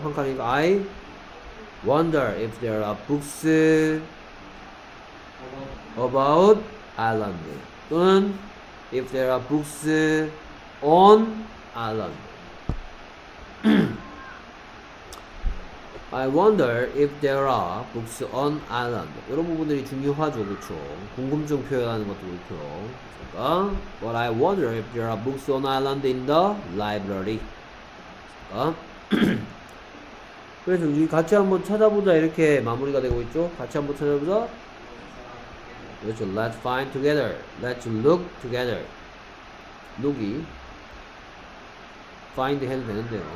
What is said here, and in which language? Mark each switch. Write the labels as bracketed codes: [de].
[ko] 한 칸이니까 [en] I wonder if there are books about Ireland 또는 if there are books on Ireland. I wonder if there are books on Ireland. [ko] 이런 부분들이 중요하죠, 그렇죠? 궁금증 표현하는 것도 그렇고요. 그러니까, [en] but I wonder if there are books on Ireland in the library. [ko] 그러니까, 그래서 우리 같이 한번 찾아보자 이렇게 마무리가 되고 있죠. 같이 한번 찾아보자. [en] Let's, let's find together. Let's look together. Look이 find [ko] 해도 되는데요.